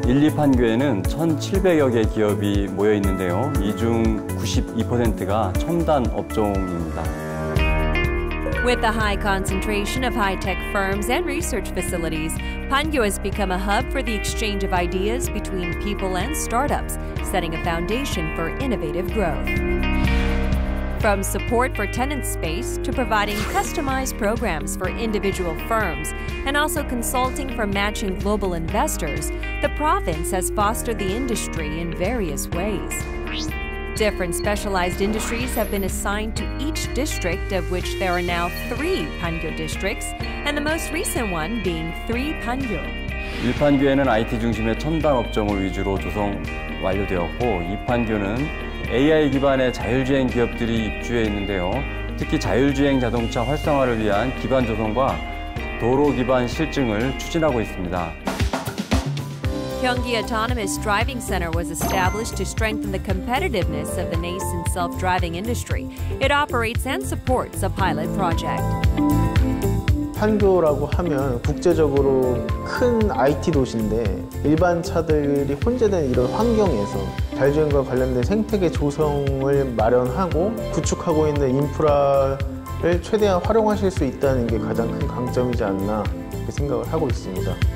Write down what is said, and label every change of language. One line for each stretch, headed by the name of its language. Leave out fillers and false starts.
Korean: 1, 2판교에는 1,700여 개 기업이 모여 있는데요. 이 중 92%가 첨단 업종입니다.
English: With a high concentration of high-tech firms and research facilities, Pangyo has become a hub for the exchange of ideas between people and startups, setting a foundation for innovative growth. From support for tenant space to providing customized programs for individual firms and also consulting for matching global investors, the province has fostered the industry in various ways. Different specialized industries have been assigned to each district, of which there are now three Pangyo districts, and the most recent one being 3판교.
Korean: 1판교에는 IT 중심의 첨단 업종을 위주로 조성 완료되었고, 2판교는 AI 기반의 자율주행 기업들이 입주해 있는데요. 특히 자율주행 자동차 활성화를 위한 기반 조성과 도로 기반 실증을 추진하고 있습니다.
English: Gyeonggi Autonomous Driving Center was established to strengthen the competitiveness of the nascent self-driving industry. It operates and supports a pilot project.
Korean: 판교라고 하면 국제적으로 큰 IT 도시인데 일반 차들이 혼재된 이런 환경에서 자율주행과 관련된 생태계 조성을 마련하고 구축하고 있는 인프라를 최대한 활용하실 수 있다는 게 가장 큰 강점이지 않나 생각을 하고 있습니다.